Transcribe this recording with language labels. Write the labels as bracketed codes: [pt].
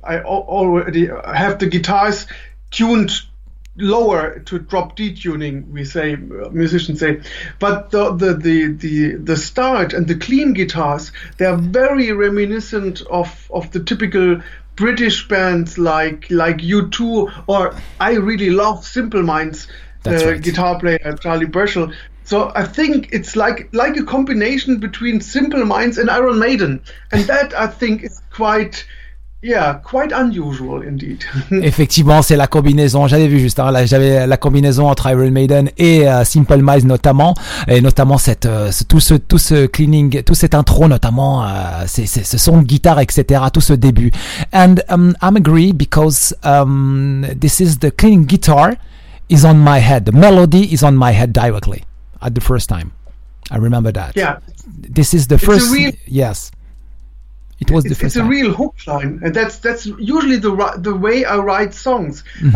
[en] I already have the guitars tuned lower to drop D tuning, we say, musicians say, but the start and the clean guitars, they are very reminiscent of the typical British bands like U2, or I really love Simple Minds, guitar player Charlie Burchell. So I think it's like a combination between Simple Minds and Iron Maiden, and that I think is quite. Yeah, quite unusual indeed. [fr] Effectivement, c'est la combinaison. J'avais vu juste, hein, là, j'avais la combinaison entre Iron Maiden et Simple Minds notamment, et notamment tout ce cleaning, tout cette intro notamment, ce son de guitare, etc. Tout ce début. [en] And I'm agree because this is the cleaning guitar is on my head. The melody is on my head directly at the first time. I remember that. Yeah. This is the first. Yes. It's a real hook line, and that's usually the way I write songs. Mm-hmm.